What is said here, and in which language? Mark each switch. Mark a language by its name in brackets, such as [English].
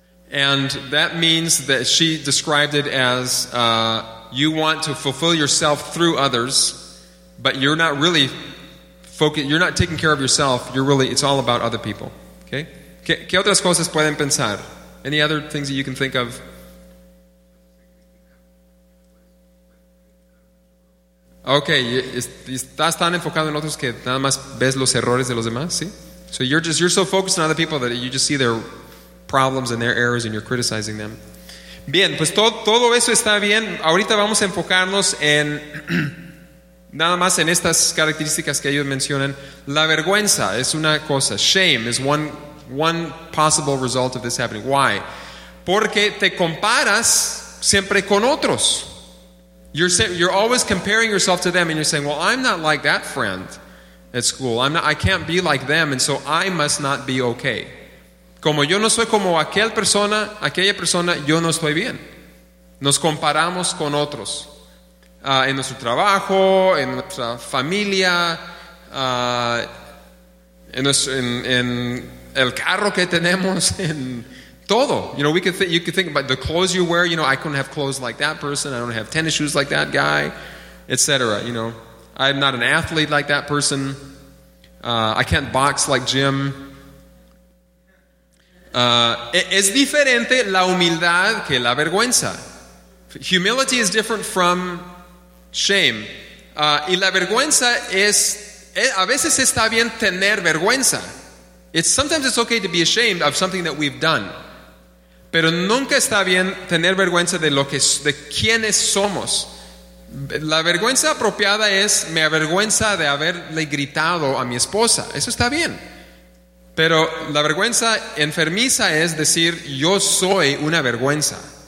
[English] And that means that she described it as you want to fulfill yourself through others, but you're not really focused, you're not taking care of yourself, you're really, it's all about other people. Okay? [Spanish] ¿Qué otras cosas pueden pensar? [English] Any other things that you can think of? [Spanish] Okay, estás tan enfocado en otros que nada más ves los errores de los demás, ¿sí? [English] So you're so focused on other people that you just see their problems and their errors and you're criticizing them. [Spanish] Bien, pues todo eso está bien. Ahorita vamos a enfocarnos en nada más en estas características que ellos mencionan. La vergüenza es una cosa. [English] Shame is one possible result of this happening. Why? [Spanish] Porque te comparas siempre con otros. [English] You're always comparing yourself to them and you're saying, well, I'm not like that friend at school. I can't be like them, and so I must not be okay. [Spanish] Como yo no soy como aquella persona, yo no estoy bien. Nos comparamos con otros. En nuestro trabajo, en nuestra familia, en el carro que tenemos, en todo. [English] You know, you could think about the clothes you wear. You know, I couldn't have clothes like that person. I don't have tennis shoes like that guy, etc. You know, I'm not an athlete like that person. I can't box like Jim. [Spanish] Es diferente la humildad que la vergüenza. [English] Humility is different from shame. [Spanish] Y la vergüenza es, a veces está bien tener vergüenza. [English] Sometimes it's okay to be ashamed of something that we've done. [Spanish] Pero nunca está bien tener vergüenza de quienes somos. La vergüenza apropiada es, me avergüenza de haberle gritado a mi esposa. Eso está bien. Pero la vergüenza enfermiza es decir, yo soy una vergüenza.